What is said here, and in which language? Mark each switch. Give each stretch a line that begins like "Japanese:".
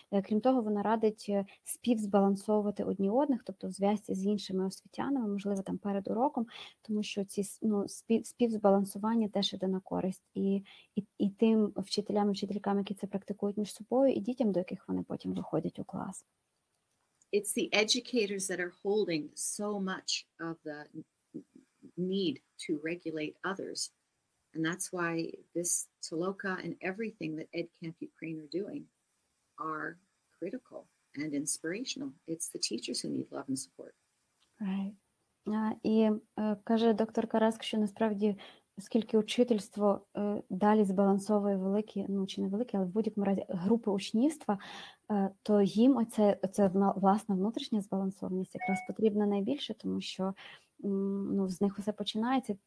Ukrainian: Крім того, вона радить співзбалансовувати одні одних, тобто в зв'язці з іншими освітянами, можливо, там перед уроком, тому що ці співзбалансування теж іде на користь і тим вчителям, вчителькам, які це практикують між собою, і дітям, до яких вони потім виходять у клас.
English: It's the educators that are holding so much of the need to regulate others. And that's why this Toloka and everything that EdCamp Ukraine are doing are critical and inspirational. It's the teachers who need love and support. Right.
Ukrainian: І каже доктор Караск, що насправді, оскільки учительство далі збалансовує великі, ну чи не великі, але в будь-якому разі групи учнівства, то їм оце власна внутрішня збалансованість якраз потрібна найбільше, тому що ну, з них усе починається.